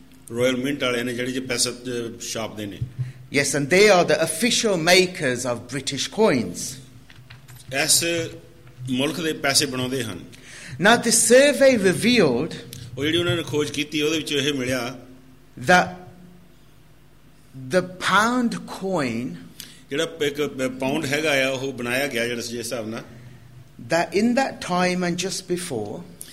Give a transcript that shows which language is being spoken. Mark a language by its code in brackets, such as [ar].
[pa] Royal Mint ਵਾਲਿਆਂ ਨੇ ਜਿਹੜੇ ਜੇ ਪੈਸੇ ਛਾਪਦੇ ਨੇ. [en] Yes, and they are the official makers of British coins. [pa] ਇਸ ਮੁਲਕ ਦੇ ਪੈਸੇ ਬਣਾਉਂਦੇ ਹਨ. [en] Now the survey revealed [pa] ਉਹ ਜਿਹੜੀ ਉਹਨਾਂ ਨੇ ਖੋਜ ਕੀਤੀ ਉਹਦੇ ਵਿੱਚ ਇਹ ਮਿਲਿਆ [en] that the pound coin [pa] ਜਿਹੜਾ ਇੱਕ ਪਾਊਂਡ ਹੈਗਾ ਆ ਉਹ ਬਣਾਇਆ ਗਿਆ ਜਿਹੜਾ ਜਿਸ ਹਿਸਾਬ ਨਾਲ [en] that in that time and just before